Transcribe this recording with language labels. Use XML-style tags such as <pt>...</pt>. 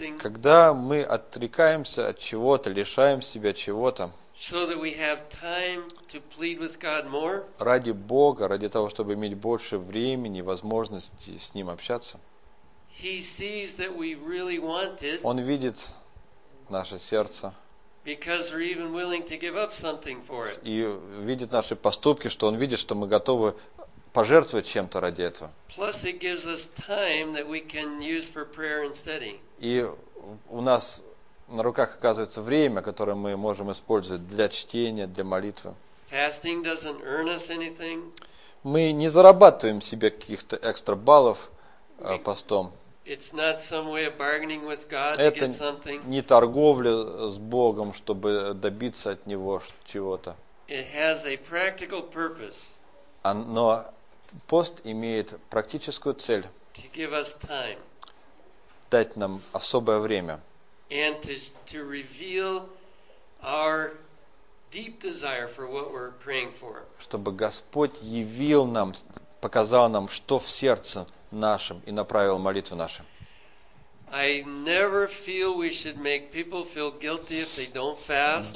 <ru>Когда мы отрекаемся от чего-то, лишаем себя чего-то,</ru> <en>so that we have time to plead with God more,</en> <ru>ради Бога, ради того, чтобы иметь больше времени, возможности с Ним общаться,</ru> <en>He sees that we really want it,</en> <ru>Он видит наше сердце,</ru> <en>because we're even willing to give up something for it.</en> <ru>И видит наши поступки, что Он видит, что мы готовы пожертвовать чем-то ради этого.</ru> <en>Plus it gives us time that we can use for prayer and study.</en> <ru>И у нас на руках оказывается время, которое мы можем использовать для чтения, для молитвы.</ru> <en>Fasting doesn't earn us anything.</en> <ru>Мы не зарабатываем себе каких-то экстра баллов постом.</ru> <en>It's not some way of bargaining with God to get something.</en> <ru>Это не торговля с Богом, чтобы добиться от Него чего-то.</ru> <en>It has a practical purpose.</en> <ru>Но пост имеет практическую цель.</ru> <en>To give us time.</en> <ru>Дать нам особое время.</ru> <en>And to reveal our deep desire for what we're praying for.</en> <ru>Чтобы Господь явил нам, показал нам, что в сердце нашем и направил молитву нашу.</ru> <en>I never feel we should make people feel guilty if they don't fast.</en>